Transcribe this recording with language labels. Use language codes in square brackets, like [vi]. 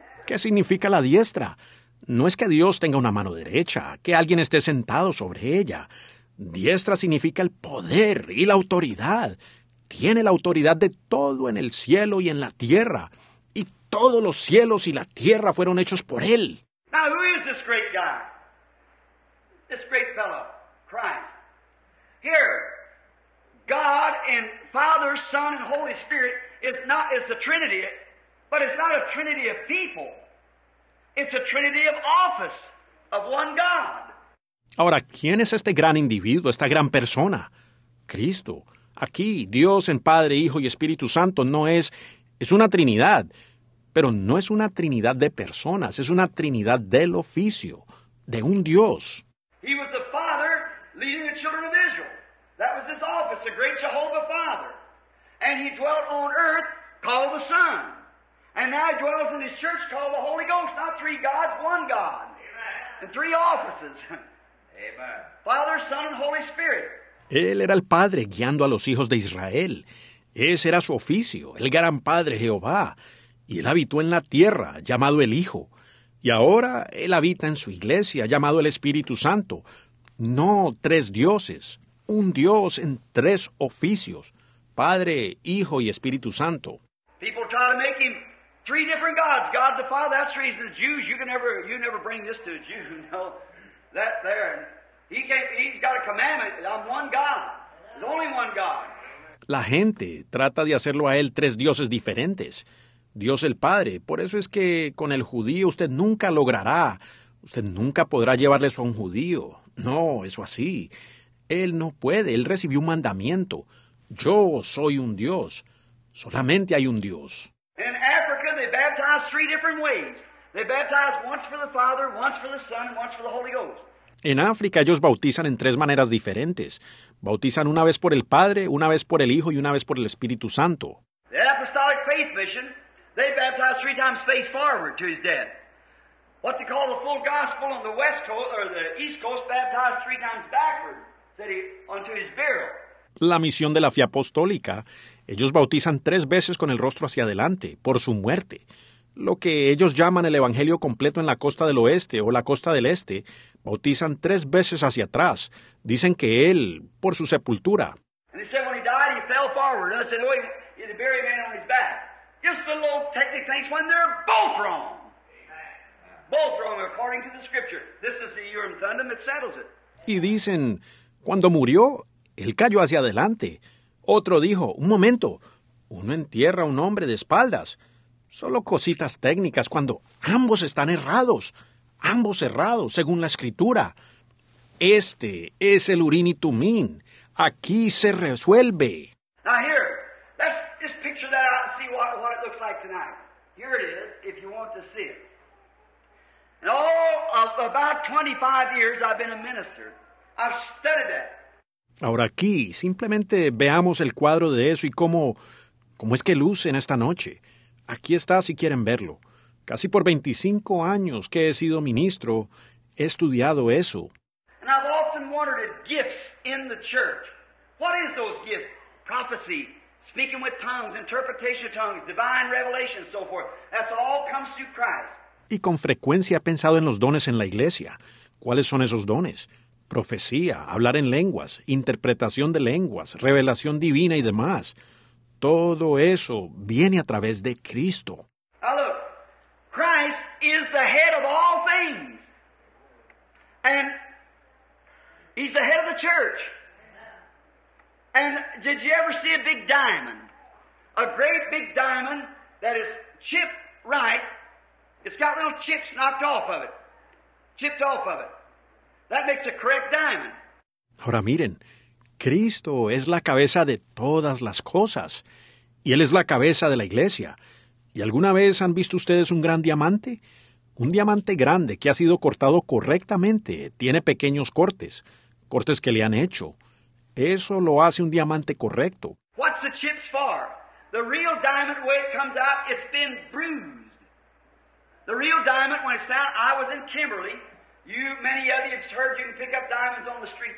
[es] ¿Qué significa la diestra? No es que Dios tenga una mano derecha, que alguien esté sentado sobre ella. Diestra significa el poder y la autoridad. Tiene la autoridad de todo en el cielo y en la tierra. Y todos los cielos y la tierra fueron hechos por él. [en] Now, who is this great guy? This great fellow, Christ. Here, God and Father, Son, and Holy Spirit is not, it's a Trinity, but it's not a Trinity of people. It's a Trinity of office, of one God. [es] Ahora, ¿quién es este gran individuo, esta gran persona? Cristo. Aquí, Dios en Padre, Hijo y Espíritu Santo no es, es una trinidad, pero no es una trinidad de personas, es una trinidad del oficio, de un Dios. [en] He was the Father leading the children of Israel. That was his office, the great Jehovah Father. And he dwelt on earth called the Son. And now he dwells in his church called the Holy Ghost, not three gods, one God. Amen. And three offices. Amen. Father, Son, and Holy Spirit. [es] Él era el Padre guiando a los hijos de Israel. Ese era su oficio, el gran Padre Jehová. Y él habitó en la tierra, llamado el Hijo. Y ahora él habita en su iglesia, llamado el Espíritu Santo. No tres dioses, un Dios en tres oficios, Padre, Hijo y Espíritu Santo. [en] People try to make him three different gods, God the Father. That's the reason the Jews, you never bring this to a Jew, no. That there. He's got a commandment. I'm one God. There's only one God. [es] La gente trata de hacerlo a él tres dioses diferentes. Dios el Padre. Por eso es que con el judío usted nunca logrará. Usted nunca podrá llevarle eso a un judío. No, eso así. Él no puede. Él recibió un mandamiento. Yo soy un Dios. Solamente hay un Dios. [en] In Africa, they baptize three different ways. They baptize once for the Father, once for the Son, and once for the Holy Ghost. [es] En África, ellos bautizan en tres maneras diferentes. Bautizan una vez por el Padre, una vez por el Hijo y una vez por el Espíritu Santo. [en] The Apostolic Faith Mission, they baptized three times face forward to his death. What they call the full gospel on the west coast, or the east coast, baptized three times backward, said he, unto his burial. [es] La misión de la fe apostólica, ellos bautizan tres veces con el rostro hacia adelante, por su muerte. Lo que ellos llaman el Evangelio completo en la costa del oeste o la costa del este, bautizan tres veces hacia atrás. Dicen que él, por su sepultura. [en] And he said when he died, he fell forward. And I said, oh, he had a buried man on his back. Just the little technical things when they're both wrong. Amen. Both wrong according to the scripture. This is the Urim Thummim that settles it. [es] Y dicen, cuando murió, él cayó hacia adelante. Otro dijo, un momento, uno entierra a un hombre de espaldas. Solo cositas técnicas cuando ambos están errados, ambos errados, según la Escritura. Este es el Urim y Tumim. Aquí se resuelve. [en] Now here, let's just picture that out and see what it looks like tonight. Here it is, if you want to see it. In all of about 25 years I've been a minister. I've studied that. [es] Ahora aquí, simplemente veamos el cuadro de eso y cómo es que luce en esta noche. Aquí está, si quieren verlo. Casi por 25 años que he sido ministro, he estudiado eso. [en] And I've often wondered at gifts in the church. What is those gifts? Prophecy, speaking with tongues, interpretation of tongues, divine revelation, so forth. That's all comes through Christ. [es] Y con frecuencia he pensado en los dones en la iglesia. ¿Cuáles son esos dones? Profecía, hablar en lenguas, interpretación de lenguas, revelación divina y demás. Todo eso viene a través de Cristo. [en] Now look, Christ is the head of all things. And he's the head of the church. And did you ever see a big diamond? A great big diamond that is chipped right. It's got little chips knocked off of it. Chipped off of it. That makes a correct diamond. [es] Ahora miren. Cristo es la cabeza de todas las cosas, y Él es la cabeza de la iglesia. ¿Y alguna vez han visto ustedes un gran diamante? Un diamante grande que ha sido cortado correctamente, tiene pequeños cortes. cortes que le han hecho. Eso lo hace un diamante correcto. [en] What's the chips for? The real diamond, when it comes out, it's been bruised. The real diamond, when it's found, I was in Kimberly. You, many of you, have heard you can pick up diamonds on the street.